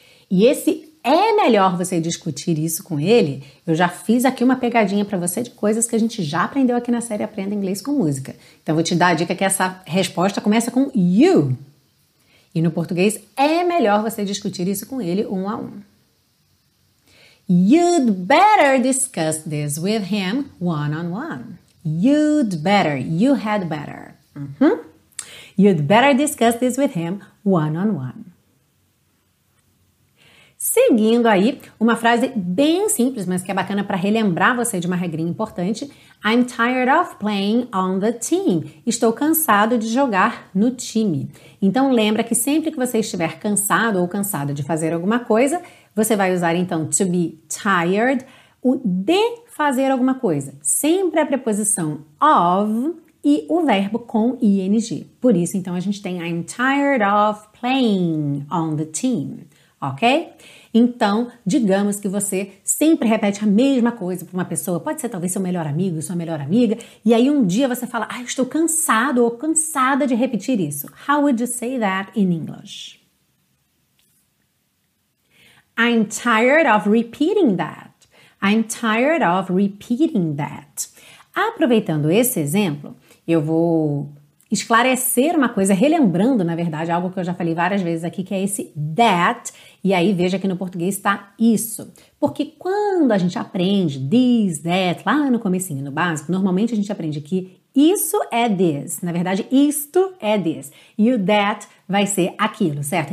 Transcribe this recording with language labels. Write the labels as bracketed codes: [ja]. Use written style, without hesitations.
[pt] E esse é melhor você discutir isso com ele? Eu já fiz aqui uma pegadinha para você de coisas que a gente já aprendeu aqui na série Aprenda Inglês com Música. Então vou te dar a dica que essa resposta começa com you. E no português, é melhor você discutir isso com ele um a um. [en] You'd better discuss this with him one on one. You'd better, you had better. Uh-huh. You'd better discuss this with him one-on-one. [pt] Seguindo aí, uma frase bem simples, mas que é bacana para relembrar você de uma regrinha importante. [en] I'm tired of playing on the team. [pt] Estou cansado de jogar no time. Então, lembra que sempre que você estiver cansado ou cansada de fazer alguma coisa, você vai usar, então, [en] to be tired, [pt] o de fazer alguma coisa. Sempre a preposição of e o verbo com ing. Por isso, então, a gente tem [en] I'm tired of playing on the team. [pt] Ok? Então, digamos que você sempre repete a mesma coisa para uma pessoa, pode ser talvez seu melhor amigo, sua melhor amiga, e aí um dia você fala, ah, estou cansado ou cansada de repetir isso. [en] How would you say that in English? I'm tired of repeating that. I'm tired of repeating that. [pt] Aproveitando esse exemplo, eu vou esclarecer uma coisa, relembrando, na verdade, algo que eu já falei várias vezes aqui, que é esse that, e aí veja que no português está isso. Porque quando a gente aprende this, that, lá no comecinho, no básico, normalmente a gente aprende que isso é this, na verdade, isto é this, e o that vai ser aquilo, certo?